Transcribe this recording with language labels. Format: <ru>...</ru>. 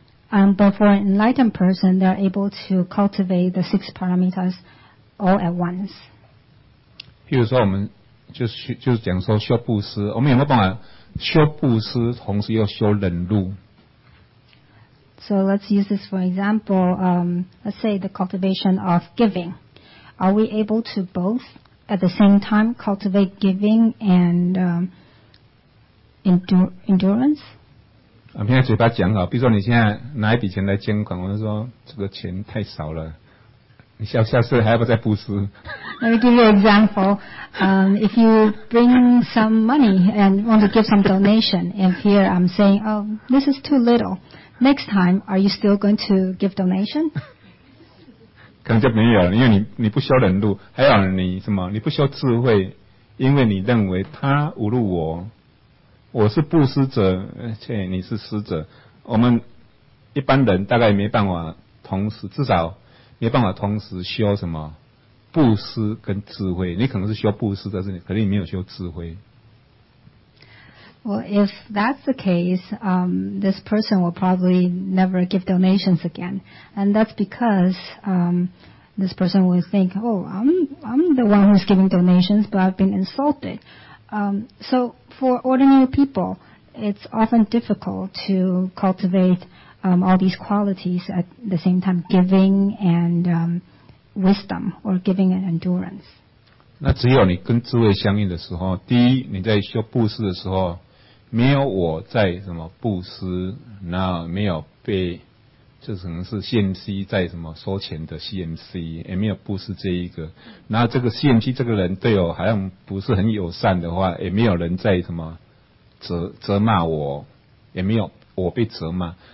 <en>But for an enlightened person, they're able to cultivate the six parameters all at once.</en> <zh>譬如说我们就是讲说修布施，我们有没有办法修布施同时又修忍辱。</zh> <en>So let's use this for example. Let's say the cultivation of giving. Are we able to both at the same time cultivate giving and endurance?</en> <zh>我们现在嘴巴讲好，比如说你现在拿一笔钱来捐款，我就说这个钱太少了。下次还要不再布施。</zh> <en>Let me give you an example. If you bring some money and want to give some donation, and here I'm saying, oh, this is too little. Next time, are you still going to give donation?</en> <zh>可能就没有了，因为你不修忍辱，还有你什么？你不修智慧，因为你认为他侮辱我，我是布施者，而且你是施者。我们一般人大概没办法同时，至少。没办法同时修什么布施跟智慧，你可能是修布施，但是你可能你没有修智慧。</zh> <en>Well, if that's the case, this person will probably never give donations again, and that's because this person will think, I'm the one who's giving donations, but I've been insulted. So for ordinary people, it's often difficult to cultivate. All these qualities at the same time, giving and wisdom, or giving and endurance.</en> <zh>那只有你跟智慧相应的时候，第一，你在修布施的时候，没有我在什么布施，那没有被，就可能是 CMC 在什么收钱的 CMC， 也没有布施这一个。那这个 CMC 这个人对我好像不是很友善的话，也没有人在什么责骂我，也没有我被责骂。</zh>